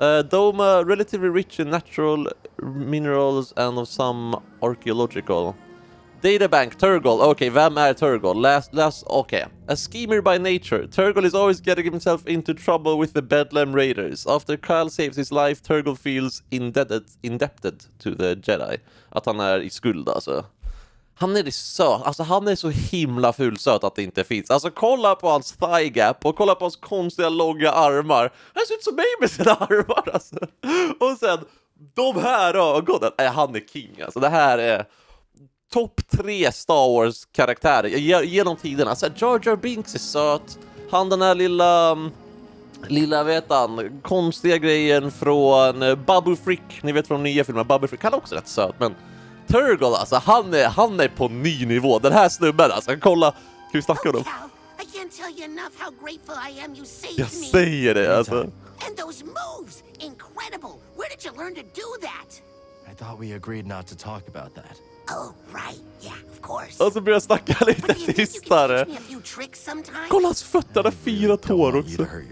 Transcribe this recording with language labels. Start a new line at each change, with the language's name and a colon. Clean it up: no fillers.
English: Doma relatively rich in natural minerals and of some archaeological.
Swedish: Databank, Turgle.
English: Okay,
Swedish: vem är Turgle? Last, okay.
English: A schemer by nature. Turgle is always getting himself into trouble with the Bedlam Raiders. After Kyle saves his life, Turgle feels indebted to the Jedi.
Swedish: Att han är i skuld, alltså. Han är så, alltså han är så himla fulsöt att det inte finns. Alltså kolla på hans thigh gap och kolla på hans konstiga långa armar. Han ser ut som mig med sina armar, alltså. Och sen, de här ögonen. Han är king, alltså. Det här är... Topp 3 Star Wars-karaktärer genom tiderna. Alltså, Jar Jar Binks är söt. Han, den här lilla, vet han, konstiga grejen från Babu Frick. Ni vet från nya filmen, Babu Frick. Han är också rätt söt, men Turgle, alltså, han är på ny nivå. Den här snubben, alltså, kolla. Kan vi snacka om dem?
English: I can't tell you enough how grateful I am you saved me.
Swedish: Jag säger det, alltså.
English: And those moves, incredible. Where did you learn to do that? I thought we agreed not to talk about that. Oh, right. Yeah, of course.
Swedish: Och så börjar jag snacka lite tystare. Kolla hans fötter, där fyra tår också.